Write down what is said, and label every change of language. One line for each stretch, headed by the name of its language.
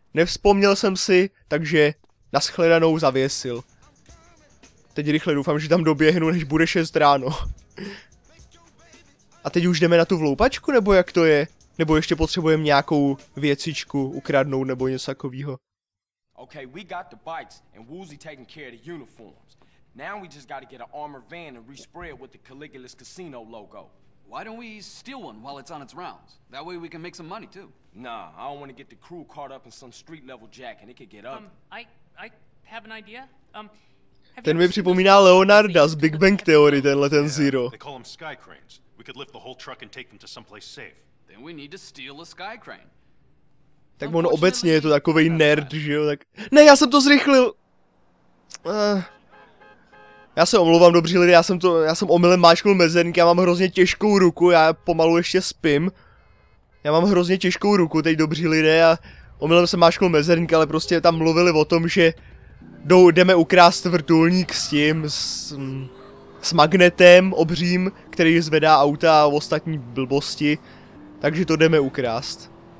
Czech: Nevzpomněl jsem si, takže naschledanou zavěsil. Teď rychle doufám, že tam doběhnu, než bude 6 ráno. A teď už jdeme na tu vloupačku, nebo jak to je? Nebo ještě potřebujeme nějakou věcičku ukradnout, nebo něco takového.
English: Okay, we got the bikes and Woozy taking care of the uniforms. Now we just gotta get an armored van and respray it with the Caligula's casino logo. Why don't we steal one while it's on its rounds? That way we can make some money too. Nah, I don't want to get the crew caught up in some street level jack and it could get up. I have an idea.
Czech: Ten mi připomíná Leonarda z Big Bang Theory, tenhle ten Zero.
English: They call them sky cranes. We could lift the whole truck and take them to someplace safe. Then we need to steal a sky crane.
Czech: Tak on obecně je to takovej nerd, že jo, tak... Ne, já jsem to zrychlil! Já se omlouvám, dobří lidi, já jsem omylem máčknul mezenky, já mám hrozně těžkou ruku, já pomalu ještě spím. Já mám hrozně těžkou ruku, teď dobří lidé, a omylem jsem máčknul mezenky, ale prostě tam mluvili o tom, že jdeme ukrást vrtulník s tím, s magnetem obřím, který zvedá auta a ostatní blbosti, takže to jdeme ukrást.